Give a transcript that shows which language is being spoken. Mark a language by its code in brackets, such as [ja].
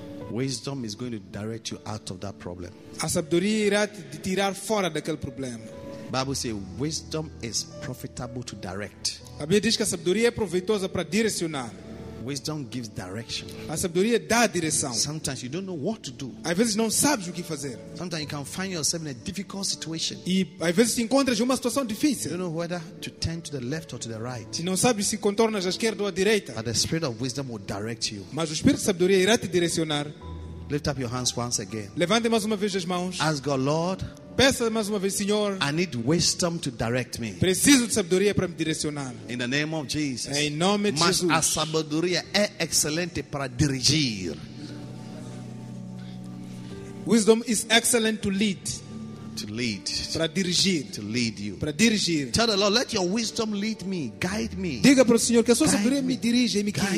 [en] Wisdom is going to direct you out of that problem. [pt] A sabedoria irá te tirar fora daquele problema. [en] Bible says wisdom is profitable to direct. [pt] A Bíblia diz que a sabedoria é proveitosa para direcionar. [en] Wisdom gives direction. [pt] A sabedoria dá direção. [en] Sometimes you don't know what to do. [pt] Às vezes não sabes o que fazer. [en] Sometimes you can find yourself in a difficult situation. [pt] E às vezes te encontras em uma situação difícil. [en] You don't know whether to turn to the left or to the right. [pt] E não sabes se contornas à esquerda ou à direita. [en] But the spirit of wisdom will direct you. [pt] Mas o espírito de sabedoria irá te direcionar. [en] Lift up your hands once again. [pt] Levante mais uma vez as mãos. [en] Ask God, Lord. [pt] Peça mais uma vez, Senhor. [en] I need wisdom to direct me. [pt] Preciso de sabedoria para me direcionar. [en] In the name of Jesus. [pt] Em nome de Mas Jesus. Mas a sabedoria é excelente para dirigir. [en] Wisdom is excellent to lead. To lead. [pt] Para dirigir. [en] To lead you. [pt] Para dirigir. [en] Tell the Lord, let your wisdom lead me, guide me. [pt] Diga para o Senhor que a sua guide sabedoria me dirija e me guie.